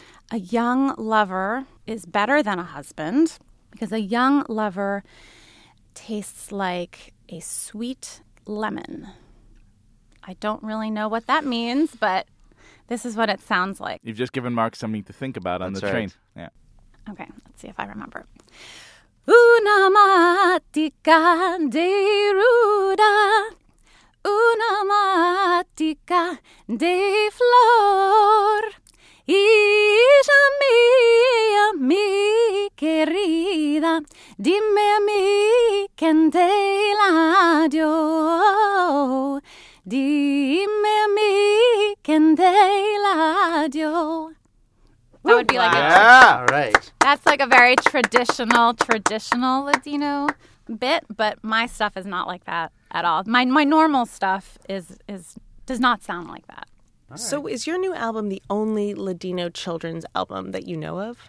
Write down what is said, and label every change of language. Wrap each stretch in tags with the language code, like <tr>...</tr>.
<en>A young lover is better than a husband because a young lover tastes like a sweet lemon." I don't really know what that means, but this is what it sounds like. You've just given Mark something to think about on the train. Yeah. Okay, let's see if I remember.</en> <lad>Una matica de ruda, una matica de flor, hija mía, mi querida, dime a mí quien te la dio, dime a mí quien te la dio.</lad> <en>That would be like that's like a very traditional Ladino bit, but my stuff is not like that at all. My normal stuff is does not sound like that. Right. So is your new album the only Ladino children's album that you know of?</en>